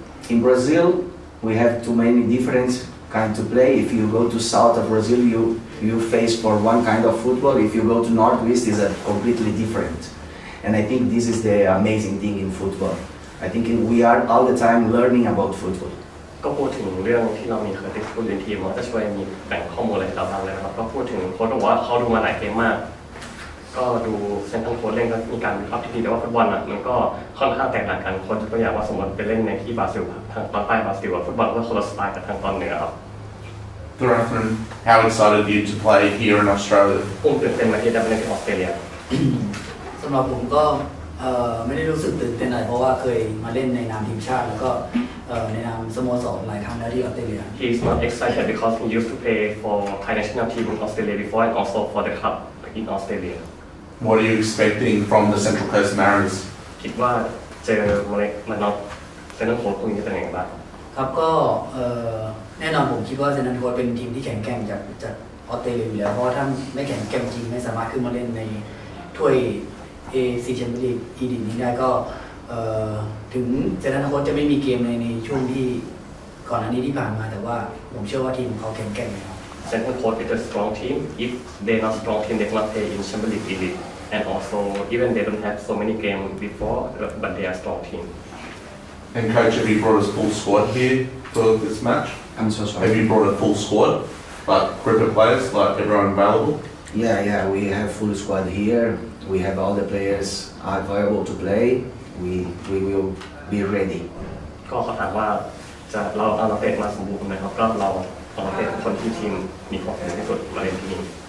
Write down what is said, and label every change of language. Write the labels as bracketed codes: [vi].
[en] In Brazil, we have too many different kinds to play. If you go to south of Brazil, you face for one kind of football. If you go to northwest, it's a completely different. And I think this is the amazing thing in football. I think we are all the time learning about football. [th] ก็พูดถึงเรื่องที่เรามีเคยติดพูดในทีมว่าจะช่วยมีแบ่งข้อมูลอะไรต่างๆเลยนะครับก็พูดถึงโค้ชบอกว่าเขาดูมาหลายเกมมากก็ดูเซ็นทรัลโค้ชเล่นก็มีการวิเคราะห์ที่ดีแต่ว่าฟุตบอลอ่ะมันก็ค่อนข้างแตกต่างกันคนจะตัวอย่างว่าสมมติไปเล่นในที่บราซิลทางตอนใต้บราซิลอ่ะฟุตบอลก็คนละสไตล์กับทางตอนเหนือครับ [en] ดูรัฟเฟน how excited you to play here in Australia [th] ผมตื่นเต้นมากที่ได้มาเล่นที่ออสเตรเลีย สำหรับผมก็ไม่ได้รู้สึกตื่นเต้นอะไรเพราะว่าเคยมาเล่นในนามทีมชาติแล้วก็ในนามสโมสรหลายครั้งแล้วที่ออสเตรเลีย [en] he is not excited because he used to play for Thai national team in Australia before and also for the club in Australia What are you expecting from the Central Coast Mariners? [th] คิดว่าเจอมาเล็กมาน็อตเซนต์โคสต์คงจะเป็นยังไงบ้าง ครับก็แน่นอนผมคิดว่าเซนต์โคสต์เป็นทีมที่แข็งแกร่งจากออสเตรเลียอยู่แล้วเพราะถ้าไม่แข็งแกร่งจริงไม่สามารถขึ้นมาเล่นในถ้วย ACLE-2 แชมเปี้ยนอีดินนี้ได้ก็ถึงเซนต์โคสต์จะไม่มีเกมในช่วงที่ก่อนหน้านี้ที่ผ่านมาแต่ว่าผมเชื่อว่าทีมเขาแข็งแกร่งครับ [en] Central Coast is a strong team. If they not strong team, they cannot play in Champions League. And also, even they don't have so many games before, but they are a strong team. And coach, have you brought a full squad here for this match? I'm so sorry. Have you brought a full squad, like cricket players, like everyone available? Yeah, we have full squad here. We have all the players available to play. We will be ready. [th] ก็เขาถามว่าจะเราเอาเตะมาสมบูรณ์ไหมครับก็เราเอาเตะคนที่ทีมมีความแข็งแกร่งที่สุดมาเล่นที่นี่